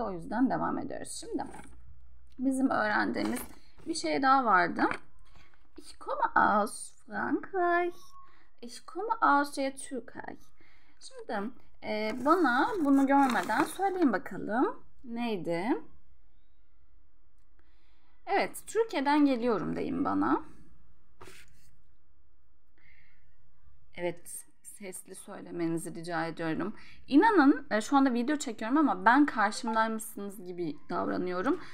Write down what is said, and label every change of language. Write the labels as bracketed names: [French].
[Turkish] O yüzden devam ediyoruz. Şimdi bizim öğrendiğimiz bir şey daha vardı. [German] Ich komme aus Frankreich. Ich komme aus der Türkei. [Turkish] Şimdi bana bunu görmeden söyleyin bakalım. Neydi? Evet, Türkiye'den geliyorum deyin bana. Evet, sesli söylemenizi rica ediyorum. İnanın şu anda video çekiyorum ama ben karşımdaymışsınız gibi davranıyorum.